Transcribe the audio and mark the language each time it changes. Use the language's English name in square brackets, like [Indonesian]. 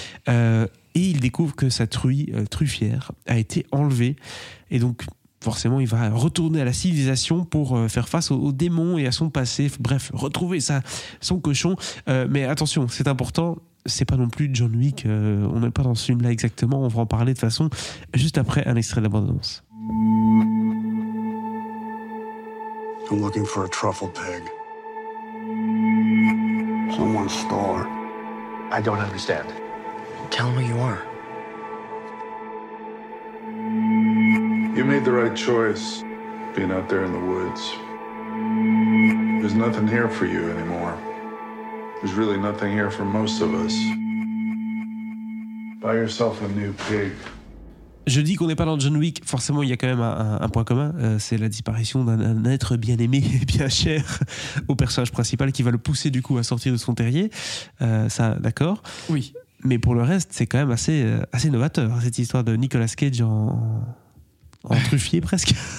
[French] Et il découvre que sa truffière a été enlevée et donc forcément, il va retourner à la civilisation pour faire face aux démons et à son passé. Bref, retrouver son cochon. Mais attention, c'est important, c'est pas non plus John Wick. On n'est pas dans ce film-là exactement. On va en parler de toute façon juste après un extrait de la bande-annonce. [English] I'm looking for a truffle pig. Someone stole her. I don't understand. Tell me who you are. You made the right choice, being out there in the woods. There's nothing here for you anymore. There's really nothing here for most of us. Buy yourself a new pig. [French] Je dis qu'on n'est pas dans John Wick, forcément il y a quand même un point commun, c'est la disparition d'un être bien aimé et bien cher au personnage principal qui va le pousser du coup à sortir de son terrier, ça d'accord? Oui. Mais pour le reste, c'est quand même assez novateur, cette histoire de Nicolas Cage en truffier presque.